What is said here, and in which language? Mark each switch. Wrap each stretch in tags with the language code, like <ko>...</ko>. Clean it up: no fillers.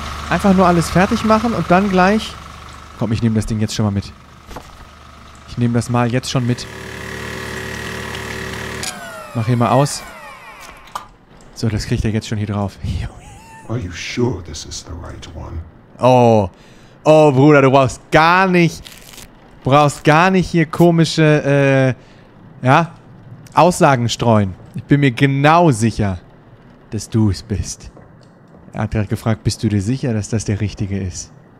<de>Einfach nur alles fertig machen und dann gleich... Komm, ich nehme das Ding jetzt schon mal mit. Ich nehme das mal jetzt schon mit. Mach hier mal aus. So, das kriegt er jetzt schon hier drauf.</de> <en>Are you sure this is the right one?</en> <de>Oh. Oh, Bruder, du brauchst gar nicht... Brauchst gar nicht hier komische, ja, Aussagen streuen. Ich bin mir genau sicher, dass du es bist. Er hat gerade gefragt, bist du dir sicher, dass das der Richtige ist?</de>